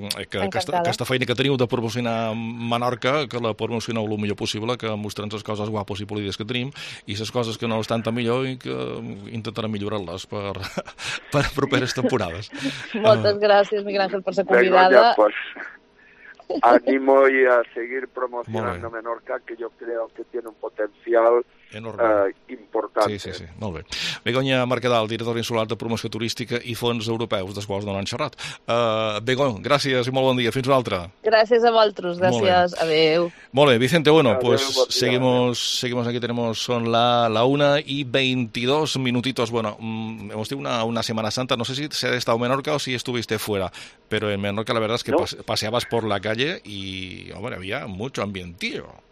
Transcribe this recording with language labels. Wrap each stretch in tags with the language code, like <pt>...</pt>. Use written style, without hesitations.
<ca>Que aquesta feina que teniu de promocionar Menorca, que la promocioneu el millor possible, que mostren les coses guapos i polides que tenim i les coses que no estan tan millor i que intentarem millorar-les per properes temporades. Moltes gràcies, Miguel Ángel, per ser convidada.</ca> <es>Animo y a seguir promocionando Menorca, que yo creo que tiene un potencial important.</es> <ca>Sí, sí, sí, molt bé. Begoña Marquedal, directora insular de promoció turística i fons europeus, dels quals no n'han xerrat. Begoña, gràcies i molt bon dia. Fins una altra. Gràcies a vosaltres. Gràcies. Adéu. Molt bé,</ca> <es>Vicente, bueno, adeu, pues bon seguimos aquí, tenemos son la 1:22 minutitos. Bueno, hemos tenido una Semana Santa, no sé si has estado en Menorca o si estuviste fuera, pero en Menorca la verdad es que no. Paseabas por la calle y, hombre, había mucho ambientillo.</es>